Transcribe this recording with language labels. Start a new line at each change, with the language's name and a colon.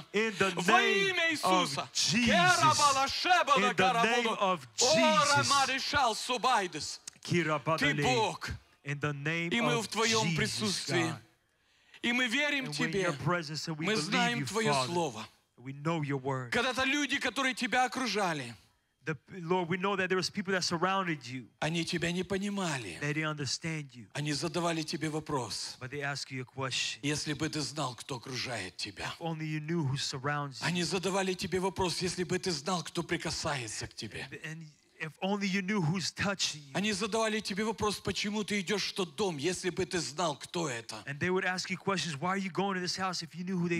English: In the name of Jesus. In the name of Jesus, God. And we're in your presence and we believe you, Father. We know your word.
Russian: Когда-то люди, которые тебя окружали,
English: Lord, we know that there was people that surrounded you.
Russian: Они тебя не понимали.
English: They didn't understand you.
Russian: Они задавали тебе вопрос.
English: But they ask you a question.
Russian: Если бы ты знал, кто окружает тебя.
English: If only you knew who surrounds you.
Russian: Они задавали тебе вопрос, если бы ты знал, кто прикасается к тебе.
English: And if only you knew who's touching you.
Russian: Они задавали тебе вопрос, почему ты идешь в тот дом, если бы ты знал, кто это.
English: And they would ask you questions, why are you going to this house if you knew who they